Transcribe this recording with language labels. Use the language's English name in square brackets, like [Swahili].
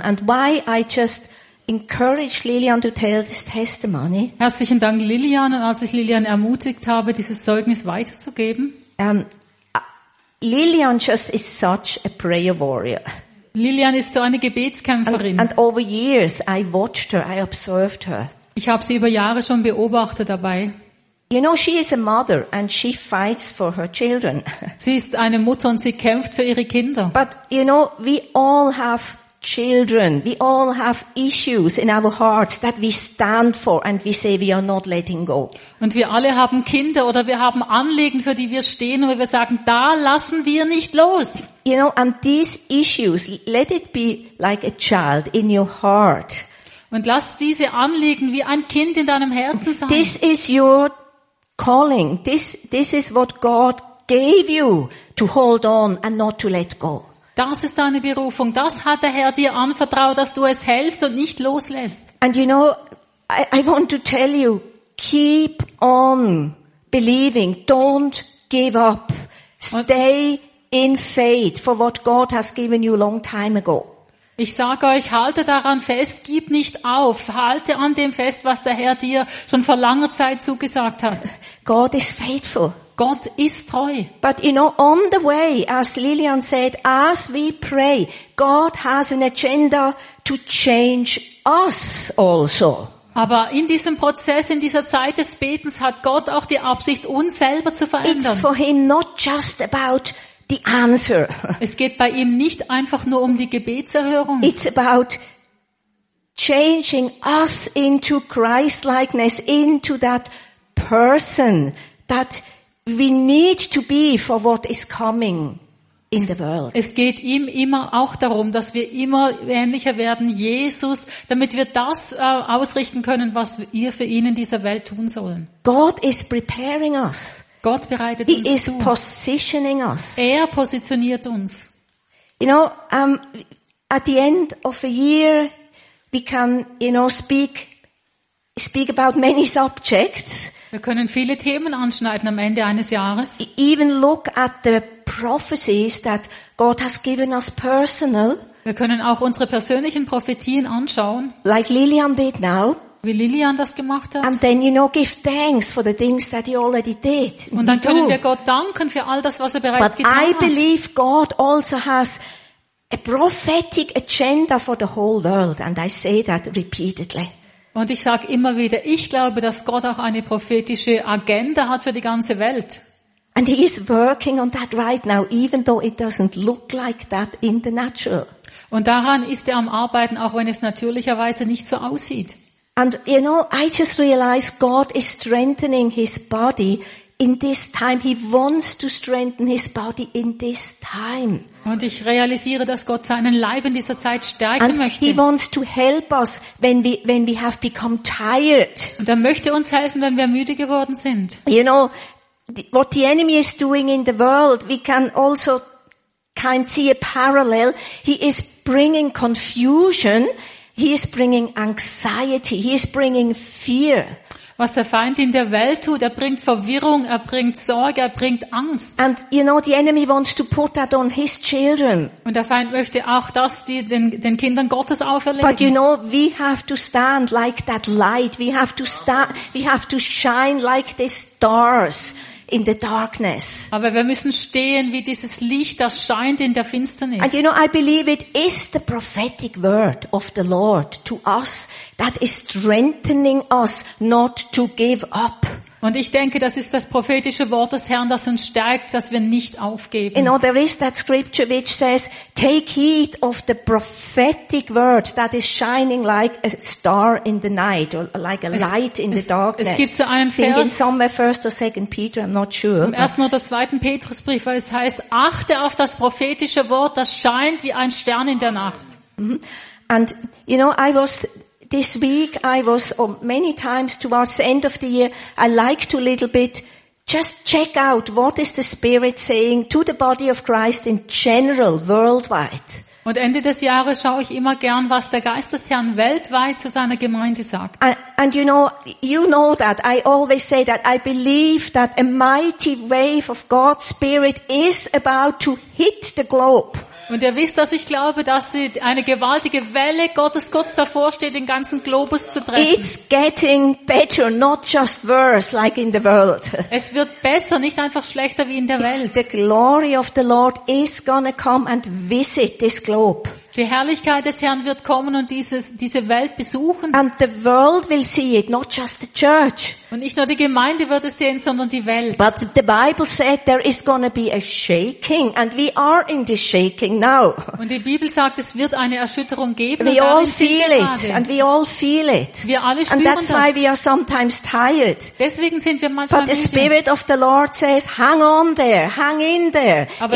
[English] And why I just encourage Lilian to tell this testimony. [German] Herzlichen Dank, Lilian. Und als ich Lilian ermutigt habe, dieses Zeugnis weiterzugeben. [English] Lilian just is such a prayer warrior. [German] Lilian ist so eine Gebetskämpferin. [English] And over years I watched her, I observed her. [German] Ich habe sie über Jahre schon beobachtet dabei. [English] You know, she is a mother and she fights for her children. [German] Sie ist eine Mutter und sie kämpft für ihre Kinder. [English] But you know, we all have children. We all have issues in our hearts that we stand for and we say we are not letting go. [German] Und wir alle haben Kinder oder wir haben Anliegen, für die wir stehen und wir sagen, da lassen wir nicht los. [English] You know, and these issues, let it be like a child in your heart. [German] Und lass diese Anliegen wie ein Kind in deinem Herzen sein. [English] This is your calling. This is what God gave you to hold on and not to let go. [German] Das ist deine Berufung. Das hat der Herr dir anvertraut, dass du es hältst und nicht loslässt. [English] And you know, I want to tell you, keep on believing. Don't give up. Stay in faith for what God has given you long time ago. [German] Ich sage euch, halte daran fest, gib nicht auf. Halte an dem fest, was der Herr dir schon vor langer Zeit zugesagt hat. [English] God is faithful. [German] Gott ist treu. [English] But you know, on the way, as Lilian said, as we pray, God has an agenda to change us also. [German] Aber in diesem Prozess, in dieser Zeit des Betens, hat Gott auch die Absicht, uns selber zu verändern. [English] It's for him not just about the answer. [German] Es geht bei ihm nicht einfach nur um die Gebetserhörung. [English] It's about changing us into Christ-likeness, into that person that we need to be for what is coming in the world. [German] Es geht ihm immer auch darum, dass wir immer ähnlicher werden Jesus, damit wir das ausrichten können, was wir für ihn in dieser Welt tun sollen. [English] God is preparing us. [German] Gott bereitet uns. [English] He is positioning us. [German] Er positioniert uns. [English] You know, at the end of a year we can, you know, speak about many subjects. [German] Wir können viele Themen anschneiden am Ende eines Jahres. [English] Even look at the prophecies that God has given us personal. [German] Wir können auch unsere persönlichen Prophetien anschauen. [English] Like Lilian did now. [German] Wie Lilian das gemacht hat. [English] And then, you know, give thanks for the things that he already did. [German] Und dann können wir Gott danken für all das, was er bereits getan hat. [English] But I believe God also has a prophetic agenda for the whole world, and I say that repeatedly. [German] Und ich sage immer wieder, ich glaube, dass Gott auch eine prophetische Agenda hat für die ganze Welt. [English] And he is working on that right now, even though it doesn't look like that in the natural. [German] Und daran ist er am Arbeiten, auch wenn es natürlicherweise nicht so aussieht. [English] And you know, I just realize God is strengthening his body in this time. He wants to strengthen his body in this time. [German] Und ich realisiere, dass Gott seinen Leib in dieser Zeit stärken [English] and [German] möchte. [English] He wants to help us when we have become tired. [German] Und er möchte uns helfen, wenn wir müde geworden sind. [English] You know, what the enemy is doing in the world, we can also kind of see a parallel. He is bringing confusion. He is bringing anxiety. He is bringing fear. [German] Was der Feind in der Welt tut, er bringt Verwirrung, er bringt Sorge, er bringt Angst. [English] And you know, the enemy wants to put that on his children. [German] Und der Feind möchte auch das den Kindern Gottes auferlegen. [English] But you know, we have to stand like that light. We have to stand. We have to shine like the stars in the darkness. [German] Aber wir müssen stehen wie dieses Licht, das scheint in der Finsternis. [English] And you know, I believe it is the prophetic word of the Lord to us that is strengthening us not to give up. [German] Und ich denke, das ist das prophetische Wort des Herrn, das uns stärkt, dass wir nicht aufgeben. [English] You know, there is that scripture which says, take heed of the prophetic word that is shining like a star in the night, or like a light in the darkness. [German] Es gibt so einen Vers. [English] In somewhere 1st or 2nd Peter, I'm not sure. [German] Im 1. oder 2. Petrusbrief, weil es heißt, achte auf das prophetische Wort, das scheint wie ein Stern in der Nacht. [English] And, you know, this week I was many times towards the end of the year, I like to little bit just check out what is the Spirit saying to the body of Christ in general, worldwide. [German] Und Ende des Jahres schaue ich immer gern, was der Geist des Herrn weltweit zu seiner Gemeinde sagt. [English] And you know that I always say that I believe that a mighty wave of God's Spirit is about to hit the globe. [German] Und ihr wisst, dass ich glaube, dass eine gewaltige Welle Gottes kurz davor steht, den ganzen Globus zu treffen. [English] It's getting better, not just worse, like in the world. [German] Es wird besser, nicht einfach schlechter wie in der Welt. [English] The glory of the Lord is gonna come and visit this globe. [German] Die Herrlichkeit des Herrn wird kommen und diese Welt besuchen. [English] And the world will see it, not just the church. [German] Und nicht nur die Gemeinde wird es sehen, sondern die Welt. [English] But the Bible said there is going to be a shaking, and we are in this shaking now. [German] Und die Bibel sagt, es wird eine Erschütterung geben. [English] We all feel it, and we all feel it. [German] Wir alle spüren das. [English] And that's [German] das. [English] Why we are sometimes tired. [German] Deswegen sind wir manchmal. [English] But the Spirit of the Lord says, hang on there, hang in there.